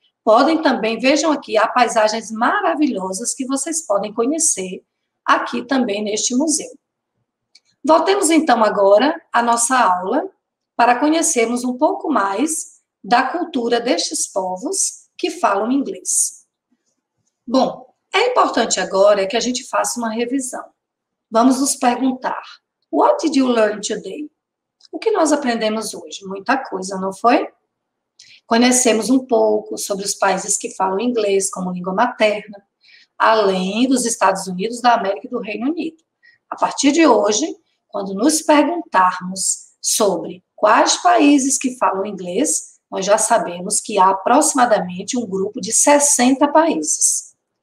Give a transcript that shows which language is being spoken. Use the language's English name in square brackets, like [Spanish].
[Portuguese] Podem também, vejam aqui, há paisagens maravilhosas que vocês podem conhecer aqui também neste museu. Voltemos então agora à nossa aula para conhecermos um pouco mais da cultura destes povos que falam inglês. Bom, é importante agora que a gente faça uma revisão. Vamos nos perguntar, [English] what did you learn today? [Portuguese] O que nós aprendemos hoje? Muita coisa, não foi? Conhecemos um pouco sobre os países que falam inglês como língua materna, além dos Estados Unidos, da América e do Reino Unido. A partir de hoje, quando nos perguntarmos sobre quais países que falam inglês, nós já sabemos que há aproximadamente um grupo de 60 países.